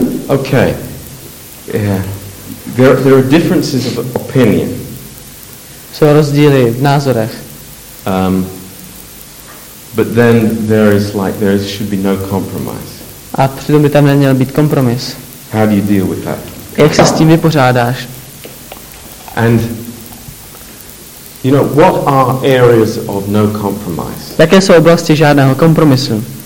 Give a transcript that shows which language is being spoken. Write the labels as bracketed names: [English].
[English] Okay. Yeah. There are differences of opinion. [Czech] Jsou rozdíly v názorech. [English] But then there should be no compromise. [Czech] A přitom by tam neměl být kompromis. [English] How do you deal with that? [Czech] Jak se s tím vypořádáš? [English] And you know what are areas of no compromise? [Czech] Jaké jsou oblasti žádného kompromisu?